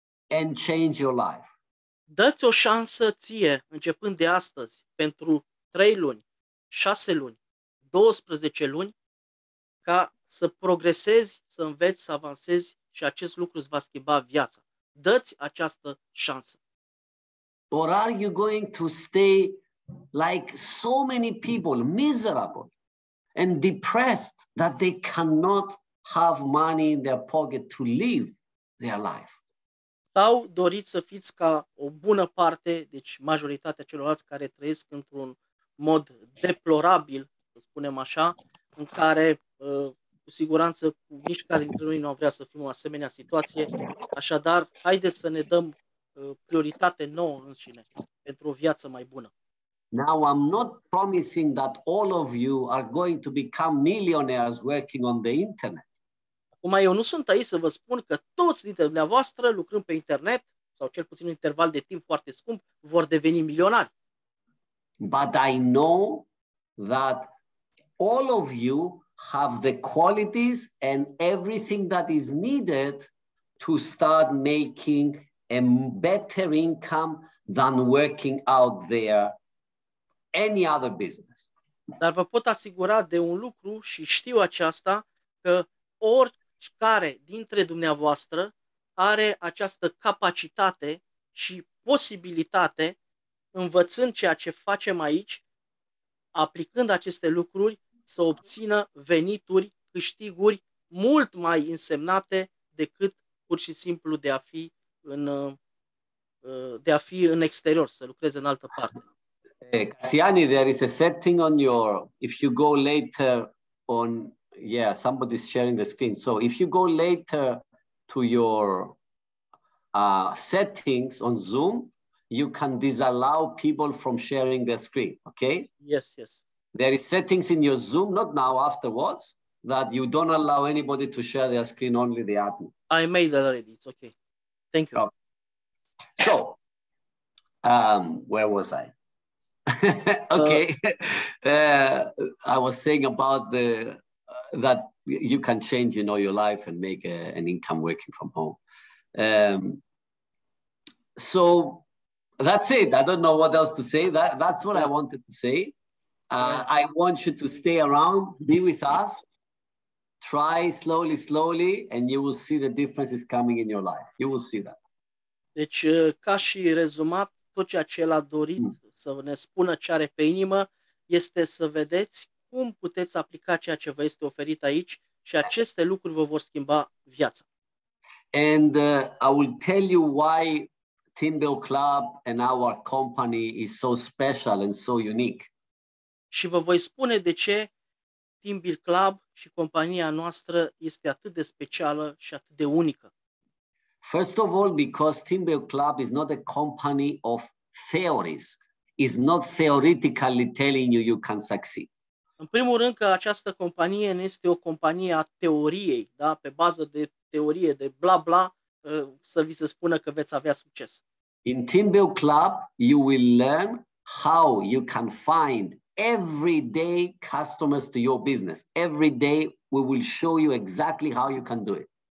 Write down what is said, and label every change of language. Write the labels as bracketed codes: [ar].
[en] and change your life. [ro] Dă-ți o șansă ție, începând de astăzi, pentru 3 luni, 6 luni, 12 luni, ca să progresezi, să înveți, să avansezi și acest lucru îți va schimba viața. Dă-ți această șansă. [en] Or are you going to stay like so many people, miserable and depressed that they cannot have money in their pocket to live their life? [ro] Sau doriți să fiți ca o bună parte, deci majoritatea celorlalți care trăiesc într-un mod deplorabil, să spunem așa, în care cu siguranță nici care dintre noi nu am vrea să fim o asemenea situație. Așadar, haideți să ne dăm prioritate nouă înșine pentru o viață mai bună. [en] Now I'm not promising that all of you are going to become millionaires working on the internet. [ro] Acum eu nu sunt aici să vă spun că toți dintre dumneavoastră lucrând pe internet sau cel puțin un interval de timp foarte scump vor deveni milionari. [en] But I know that all of you have the qualities and everything that is needed to start making a better income than working out there any other business. [ro] Dar vă pot asigura de un lucru și știu aceasta, că oricare dintre dumneavoastră are această capacitate și posibilitate, învățând ceea ce facem aici, aplicând aceste lucruri, să obțină venituri, câștiguri mult mai însemnate decât pur și simplu de a fi în, de a fi în exterior, să lucreze în altă parte. [en] Cassiani, there is a setting on your, if you go later on, yeah, somebody's sharing the screen. So if you go later to your settings on Zoom, you can disallow people from sharing the screen, okay? Yes, yes. There is settings in your Zoom, not now, afterwards, that you don't allow anybody to share their screen, only the admins. I made that already. It's okay. Thank you. Okay. So, where was I? Okay. I was saying about the that you can change, you know, your life and make an income working from home. So that's it. I don't know what else to say. That's what I wanted to say. I want you to stay around, be with us, try slowly, slowly, and you will see the difference is coming in your life. You will see that. [ro] Deci, ca și rezumat, tot ceea ce l-a dorit să ne spună ce are pe inimă este să vedeți cum puteți aplica ceea ce vă este oferit aici și aceste lucruri vă vor schimba viața. [en] And I will tell you why Timbell Club and our company is so special and so unique. [ro] Și vă voi spune de ce Timbill Club și compania noastră este atât de specială și atât de unică. [en] First of all, because Timbill Club is not a company of theories, is not theoretically telling you you can succeed. [ro] În primul rând că această companie nu este o companie a teoriei, da, pe bază de teorie, de bla bla, să vi se spună că veți avea succes. [en] In Timbill Club, you will learn how you can find everyday customers to your business. Every day we will show you exactly how you can do it.